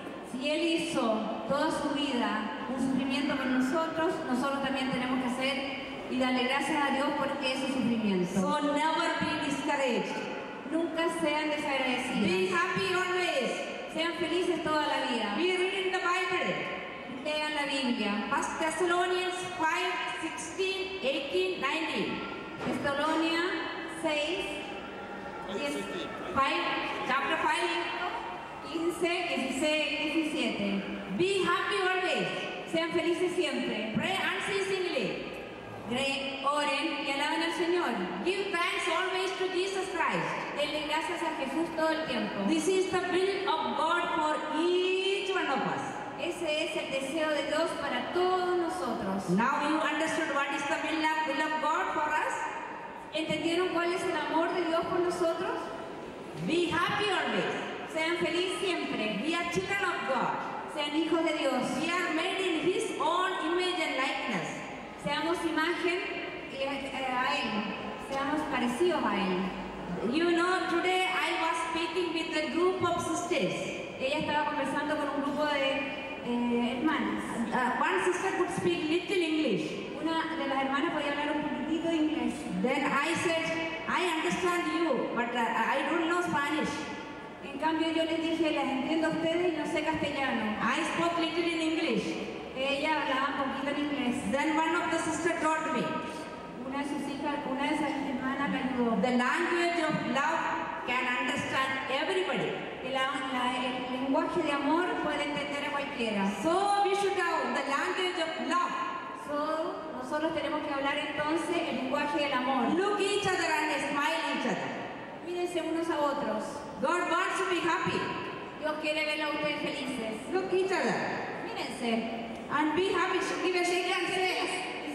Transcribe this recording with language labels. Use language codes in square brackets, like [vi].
[es] Si él hizo toda su vida un sufrimiento con nosotros, nosotros también tenemos que hacer y darle gracias a Dios por ese sufrimiento. [en] So never be discouraged. [es] Nunca sean desagradecidos. [en] Be happy always. [es] Sean felices toda la vida. [en] Be reading the Bible. [es] Lean la Biblia. [en] 1 Thessalonians 5, 16, 18, 19. Thessalonians 6, 5, chapter 5, 15, 16, 17. Be happy always. [es] Sean felices siempre. [en] Pray unceasingly. [es] Oren y alaben al Señor. [en] Give thanks always to Jesus Christ. [es] Denle gracias a Jesús todo el tiempo. [en] This is the will of God for each one of us. [es] Ese es el deseo de Dios para todos nosotros. [en] Now you understood what is the will of God for us? [es] ¿Entendieron cuál es el amor de Dios por nosotros? [en] Be happy always. [es] Sean felices siempre. [en] We are children of God. [es] Sean hijos de Dios. [en] We are made in His own image and likeness. [es] Seamos imagen a Él. Seamos parecidos a Él. [en] You know, today I was speaking with a group of sisters. [es] Ella estaba conversando con un grupo de hermanas. [en] One sister could speak little English. [es] Una de las hermanas podía hablar un poquitito de inglés. [en] Then I said, I understand you, but I don't know Spanish. [es] En cambio yo les dije, las entiendo a ustedes y no sé castellano. [en] I spoke little in English. [es] Ella hablaba un poquito en inglés. [en] Then one of the sisters taught me. [es] Una de sus hijas, una de esas hermanas me ayudó. [en] The language of love can understand everybody. [es] El lenguaje de amor puede entender a cualquiera. [en] So we should have the language of love. [es] So nosotros tenemos que hablar entonces el lenguaje del amor. [en] Look each other and smile each other. [es] Mírense unos a otros. [en] God wants to be happy. [es] Dios quiere ver a ustedes felices. [en] Look each other. [es] Mírense. [en] And be happy. Give a shake and say,